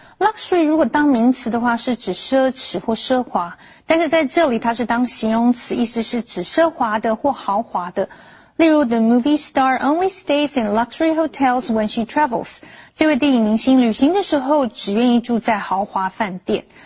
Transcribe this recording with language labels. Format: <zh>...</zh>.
<zh>luxury 如果当名词的话是指奢侈或奢华，但是在这里它是当形容词，意思是指奢华的或豪华的。例如</zh> <en>,The movie star only stays in luxury hotels when she travels.</en> <zh>这位电影明星旅行的时候只愿意住在豪华饭店。</zh>